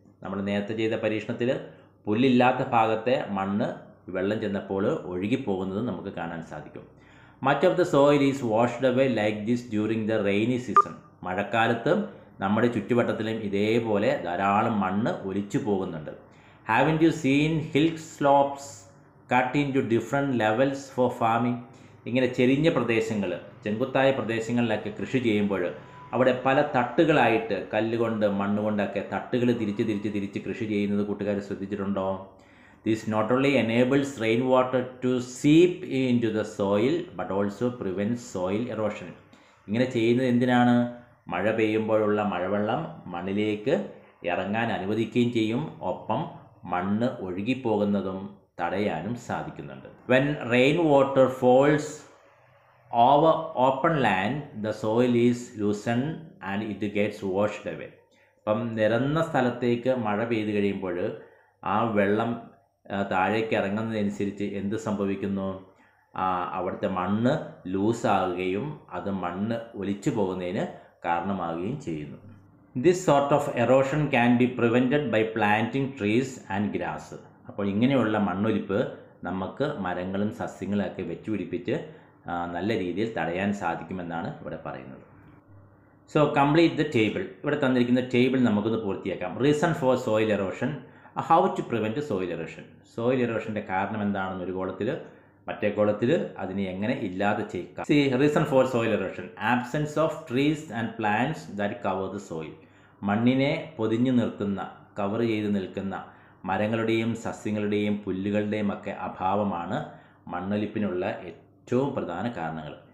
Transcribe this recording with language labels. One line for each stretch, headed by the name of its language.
Malayalam: നമ്മൾ നേരത്തെ ചെയ്ത പരീക്ഷണത്തിൽ പുല്ലില്ലാത്ത ഭാഗത്തെ മണ്ണ് വെള്ളം ചെന്നപ്പോൾ ഒഴുകിപ്പോകുന്നത് നമുക്ക് കാണാൻ സാധിക്കും.
English: Much of the soil is washed away like this during the rainy season.
Malayalam: മഴക്കാലത്തും നമ്മുടെ ചുറ്റുവട്ടത്തിലും ഇതേപോലെ ധാരാളം മണ്ണ് ഒലിച്ചു പോകുന്നുണ്ട്.
English: Haven't you seen hill slopes cut into different levels for farming?
Malayalam: ഇങ്ങനെ ചെരിഞ്ഞ പ്രദേശങ്ങൾ, ചെങ്കുത്തായ പ്രദേശങ്ങളിലൊക്കെ കൃഷി ചെയ്യുമ്പോൾ അവിടെ പല തട്ടുകളായിട്ട് കല്ലുകൊണ്ട് മണ്ണുകൊണ്ടൊക്കെ തട്ടുകൾ തിരിച്ച് തിരിച്ച് തിരിച്ച് കൃഷി ചെയ്യുന്നത് കൂട്ടുകാർ ശ്രദ്ധിച്ചിട്ടുണ്ടോ?
English: This not only enables rainwater to seep into the soil but also prevents soil erosion.
Malayalam: ഇങ്ങനെ ചെയ്യുന്നത് എന്തിനാണ്? മഴ പെയ്യുമ്പോഴുള്ള മഴവെള്ളം മണ്ണിലേക്ക് ഇറങ്ങാൻ അനുവദിക്കുകയും ചെയ്യും, ഒപ്പം മണ്ണ് ഒഴുകിപ്പോകുന്നതും തടയാനും സാധിക്കുന്നുണ്ട്.
English: When rain water falls over open land the soil is loosen and it gets washed away.
Malayalam: ഇപ്പം നിറഞ്ഞ സ്ഥലത്തേക്ക് മഴ പെയ്തു കഴിയുമ്പോൾ ആ വെള്ളം താഴേക്ക് ഇറങ്ങുന്നതനുസരിച്ച് എന്ത് സംഭവിക്കുന്നു? അവിടുത്തെ മണ്ണ് ലൂസാകുകയും അത് മണ്ണ് ഒലിച്ചു പോകുന്നതിന് കാരണമാവുകയും ചെയ്യുന്നു.
English: This sort of erosion can be prevented by planting trees and grass.
Malayalam: അപ്പോൾ ഇങ്ങനെയുള്ള മണ്ണൊലിപ്പ് നമുക്ക് മരങ്ങളും സസ്യങ്ങളൊക്കെ വെച്ചു പിടിപ്പിച്ച് നല്ല രീതിയിൽ തടയാൻ സാധിക്കുമെന്നാണ് ഇവിടെ പറയുന്നത്.
English: So complete the table.
Malayalam: ഇവിടെ തന്നിരിക്കുന്ന ടേബിൾ നമുക്കൊന്ന് പൂർത്തിയാക്കാം.
English: Reason for soil erosion. How to prevent soil erosion?
Malayalam: Soil എറോഷൻ്റെ കാരണം എന്താണെന്ന് ഒരു കോളത്തിൽ, മറ്റേ കോളത്തിൽ അതിനെ എങ്ങനെ ഇല്ലാതെ ചെയ്യുക.
English: See reason for soil erosion, absence of trees and plants that cover the soil.
Malayalam: മണ്ണിനെ പൊതിഞ്ഞു നിർത്തുന്ന, കവർ ചെയ്ത് നിൽക്കുന്ന മരങ്ങളുടെയും സസ്യങ്ങളുടെയും പുല്ലുകളുടെയും ഒക്കെ അഭാവമാണ് മണ്ണൊലിപ്പിനുള്ള ഏറ്റവും പ്രധാന കാരണങ്ങൾ.